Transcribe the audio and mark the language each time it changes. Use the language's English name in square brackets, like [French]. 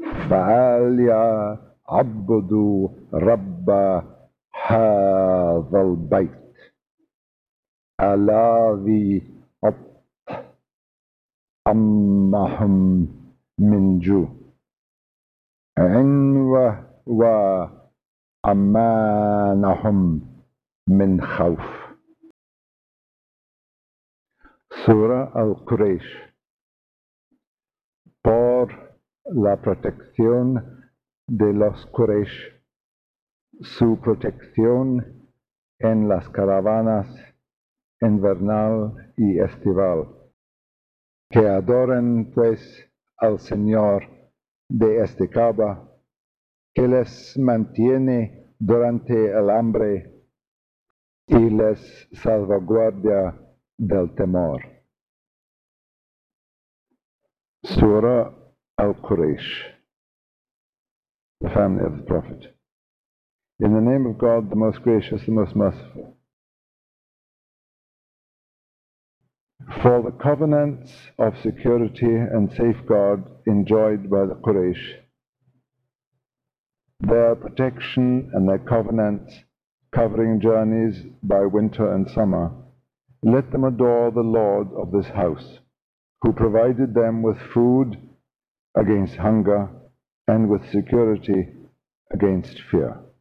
[Arabic] فهل يعبدوا رب هذا البيت الذي أطعمهم من جوع وأمانهم من خوف. [Spanish] سورة القريش por la protección de los Quraysh, su protección en las caravanas invernal y estival. Que adoren pues al Señor de este Kaaba, que les mantiene durante el hambre y les salvaguarda del temor. [English] Sura al-Quraysh, the family of the Prophet. In the name of God, the most gracious, the most merciful. For the covenants of security and safeguard enjoyed by the Quraysh, their protection and their covenants covering journeys by winter and summer, let them adore the Lord of this house, who provided them with food against hunger and with security against fear.